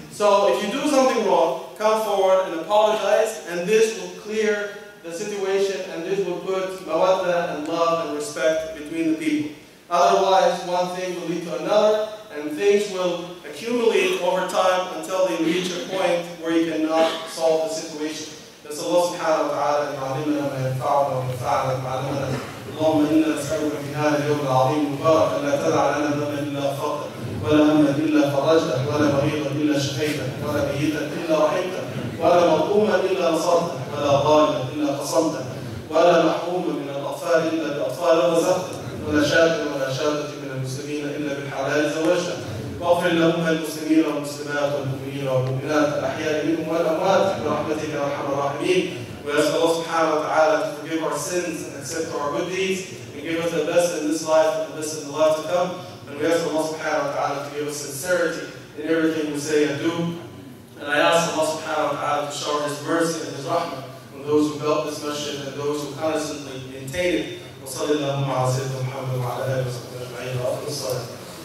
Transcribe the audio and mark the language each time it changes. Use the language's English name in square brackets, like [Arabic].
[English] So if you do something wrong, come forward and apologize, and this will clear the situation, and this will put mawadda and love and respect between the people. Otherwise, one thing will lead to another, and things will accumulate over time until they reach a point where you cannot solve the situation. That's Allah subhanahu wa ta'ala and ma'alimna ma'alfa'ala wa ta'ala ma'alimna. [Arabic] اللهم إنا نسألك في هذا اليوم العظيم المبارك أن لا تدع لنا ذنبا إلا غفرته ولا همّا إلا فرجته ولا مريضا إلا شفيته ولا ميتا إلا رحمته ولا مظلوما إلا نصرته ولا ظالما إلا خصمته ولا محروما من الأطفال إلا بأطفال رزقته ولا شاذا ولا شاذة من المسلمين إلا بالحلال زوجته واغفر لهم المسلمين والمسلمات والمؤمنين والمؤمنات الأحياء منهم والأموات برحمتك يا أرحم الراحمين. [English] We ask Allah subhanahu wa ta'ala to forgive our sins and accept our good deeds and give us the best in this life and the best in the life to come. And we ask Allah subhanahu wa ta'ala to give us sincerity in everything we say and do. And I ask Allah subhanahu wa ta'ala to show His mercy and His rahmah on those who built this masjid and those who constantly maintain it. Wa sallallahu alayhi wa sallam wa ala alihi wa sallam.